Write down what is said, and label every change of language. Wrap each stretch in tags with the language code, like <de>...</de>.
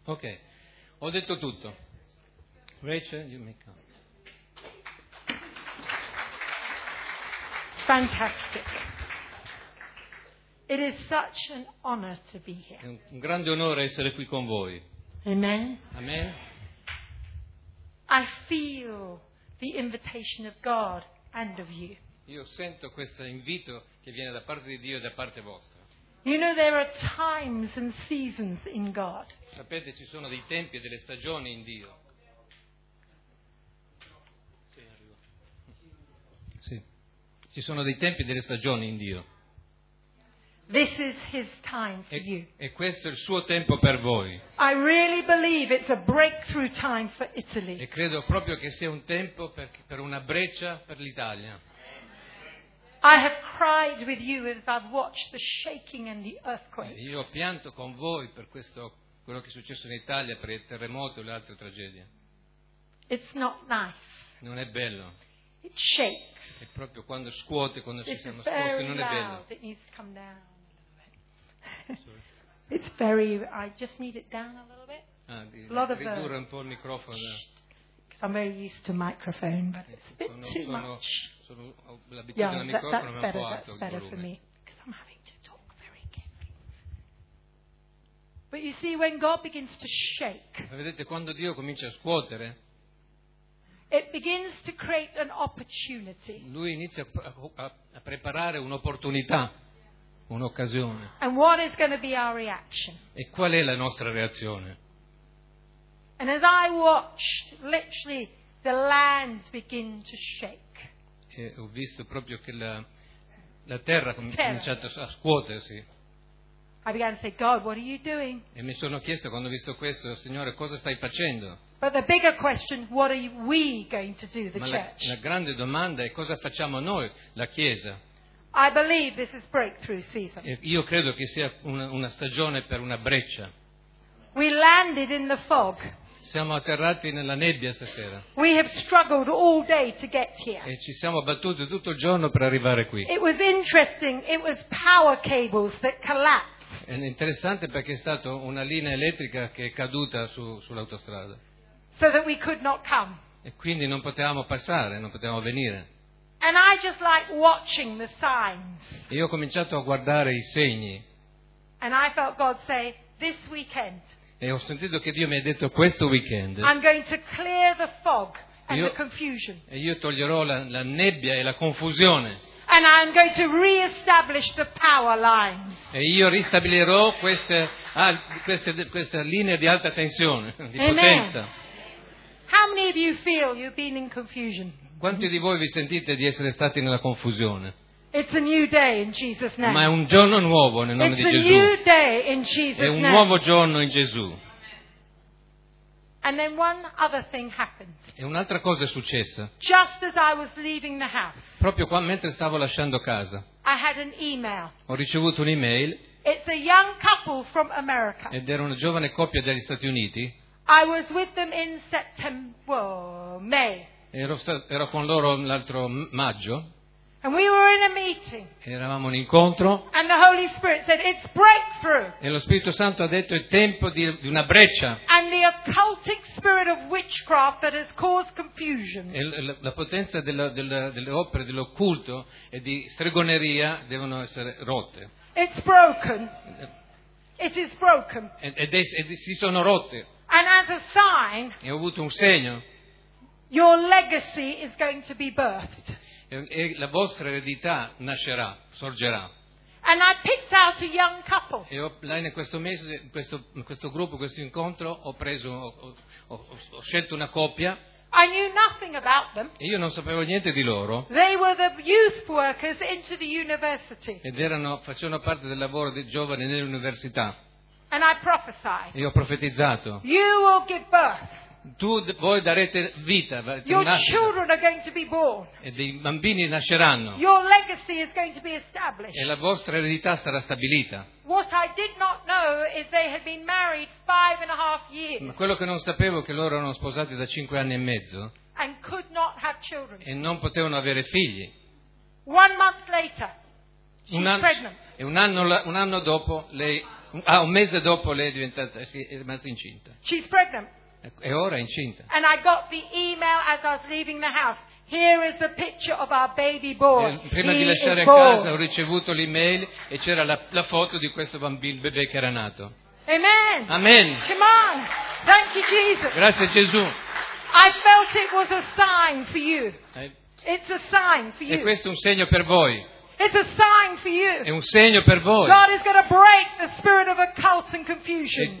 <it>Ok, ho detto tutto. Rachel,</it> <en>you may come. Fantastic. It is such an honor to be here.</en> <it>È un grande onore essere qui con voi. Amen. Amen.</it> <en>I feel the invitation of God and of you.</en> <it>Io sento questo invito che viene da parte di Dio e da parte vostra.</it> <en>You know, there are times and seasons in God.</en> <it>Sapete, ci sono dei tempi e delle stagioni in Dio. Sì. Ci sono dei tempi e delle stagioni in Dio.</it> <en>This is his time for you.</en> <it>E questo è il suo tempo per voi.</it> <en>I really believe it's a breakthrough time for Italy.</en> <it>E credo proprio che sia un tempo per una breccia per l'Italia.</it> <en>I have cried with you as I've watched the shaking and the earthquake.</en> <it>Io ho pianto con voi per questo, quello che è successo in Italia, per il terremoto e le altre tragedie.</it> <en>It's not nice.</en> <it>Non è bello.</it> <en>It shakes.</en> <it>È proprio quando scuote, quando ci siamo scossi, non è bello.</it> <en>It needs to come down. It's very. I just need it down a little bit.</en> <it>Ah, ridurre un po' il microfono.</it> <en>Because I'm very used to microphone, but it's a bit too much.</en> <it>Sono l'abitudine al microfono,</it> <en>that's</en> <it>ma</it> <en>better,</en> <it>un po' alto</it> <en>that's</en> <it>il volume.</it> <en>Because I'm having to talk very carefully. But you see, when God begins to shake.</en> <it>Ma vedete, quando Dio comincia a scuotere.</it> <en>It begins to create an opportunity.</en> <it>Lui inizia a preparare un'opportunità. Un'occasione.</it> <en>And what is going to be our reaction?</en> <it>E qual è la nostra reazione?</it> <en>And as I watched, literally the lands begin to shake.</en> <it>E ho visto proprio che la terra cominciato a scuotersi.</it> <en>I began to say, God, what are you doing?</en> <it>E mi sono chiesto, quando ho visto questo, Signore, cosa stai facendo?</it> <en>But the bigger question, what are we going to do, the</en> <it>Ma</it> <en>church?</en> <it>La grande domanda è cosa facciamo noi, la Chiesa?</it> <en>I believe this is breakthrough season.</en> <it>Io credo che sia una stagione per una breccia.</it> <en>We landed in the fog.</en> <it>Siamo atterrati nella nebbia stasera.</it> <en>We have struggled all day to get here.</en> <it>E ci siamo battuti tutto il giorno per arrivare qui.</it> <en>It was interesting. It was power cables that collapsed.</en> <it>È interessante perché è stata una linea elettrica che è caduta sull'autostrada.</it> <en>So that we could not come.</en> <it>E quindi non potevamo passare, non potevamo venire.</it> <en>And I just like watching the signs.</en> <it>Io ho cominciato a guardare i segni.</it> <en>And I felt God say, this weekend.</en> <it>E ho sentito che Dio mi ha detto questo weekend.</it> <en>I'm going to clear the fog and the confusion.</en> <it>E io toglierò la nebbia e la confusione.</it> <en>And I'm going to reestablish the power lines.</en> <it>E io ristabilirò queste linee di alta tensione, di potenza.</it> <en>How many of you feel you've been in confusion?</en> <it>Quanti di voi vi sentite di essere stati nella confusione?</it> <en>It's a new day in Jesus' name.</en> <it>Ma è un giorno nuovo nel nome</it> <en>It's</en> <it>di Gesù.</it> <en>A new day in Jesus'</en> <it>è un</it> <en>name.</en> <it>Nuovo giorno in Gesù.</it> <en>And then one other thing happened.</en> <it>E un'altra cosa è successa.</it> <en>Just as I was leaving the house.</en> <it>Proprio qua, mentre stavo lasciando casa.</it> <en>I had an email.</en> <it>Ho ricevuto un'email.</it> <en>It's a young couple from America.</en> <it>Ed era una giovane coppia degli Stati Uniti.</it> <en>I was with them in September, May.</en> <it>Ero con loro l'altro maggio.</it> <en>And we were in a meeting.</en> <it>Eravamo un incontro.</it> <en>And the Holy Spirit said, it's breakthrough.</en> <it>E lo Spirito Santo ha detto è tempo di una breccia.</it> <en>And the occultic spirit of witchcraft that has caused confusion.</en> <it>E la potenza delle opere dell'occulto e di stregoneria devono essere rotte.</it> <en>It's broken. It is broken.</en> <it>E si sono rotte.</it> <en>And as a sign.</en> <it>E ho avuto un segno.</it> <en>Your legacy is going to be birthed.</en> <it>E la vostra eredità nascerà, sorgerà.</it> <en>And I picked out a young couple.</en> <it>E là in questo mese, in questo gruppo, questo incontro, ho scelto una coppia.</it> <en>I knew nothing about them.</en> <it>E io non sapevo niente di loro.</it> <en>They were the youth workers into the university.</en> <it>Ed erano, facevano parte del lavoro dei giovani nell'università.</it> <en>And I prophesied.</en> <it>E ho profetizzato.</it> <en>You will give birth.</en> <it>Voi darete vita.</it> <en>Your children are going to be born.</en> <it>E dei bambini nasceranno.</it> <en>Your legacy is going to be established.</en> <it>E la vostra eredità sarà stabilita.</it> <en>What I did not know is they had been married 5.5 years.</en> <it>Ma quello che non sapevo è che loro erano sposati da 5 anni e mezzo.</it> <en>And could not have children.</en> <it>E non potevano avere figli.</it> <en>One month later, she's pregnant.</en> <it>E un anno dopo lei, ah, un mese dopo lei è rimasta incinta.</it> <en>She's pregnant.</en> <it>E ora è incinta.</it> <en>And I got the email as I was leaving the house. Here is the picture of our baby boy.</en> <it>Prima</it> <en>he</en> <it>di lasciare</it> <en>is</en> <it>a casa</it> <en>born.</en> <it>Ho ricevuto l'email e c'era la foto di questo bambino, bebè che era nato. Amen. Amen.</it> <en>Come on. Thank you, Jesus.</en> <it>Grazie Gesù.</it> <en>I felt it was a sign for you. It's a sign for you.</en> <it>E questo è un segno per voi.</it> <en>It's a sign for you.</en> <it>È un segno per voi.</it> <en>God is going to break the spirit of occult and confusion.</en>